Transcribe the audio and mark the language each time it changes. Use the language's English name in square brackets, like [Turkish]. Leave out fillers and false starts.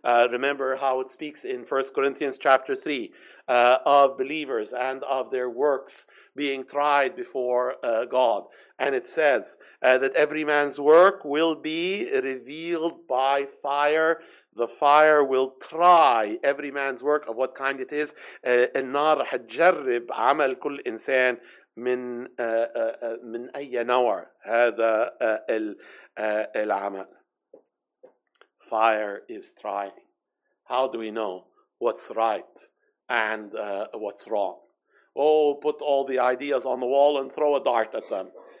[English] Remember how it speaks in 1 Corinthians chapter 3 of believers and of their works being tried before God. And it says that every man's work will be revealed by fire. The fire will try every man's work of what kind it is. [Arabic] النار حتجرب عمل كل إنسان من من أي نوع هذا العمل. [English] Fire is trying. How do we know what's right and what's wrong? Oh, put all the ideas on the wall and throw a dart at them.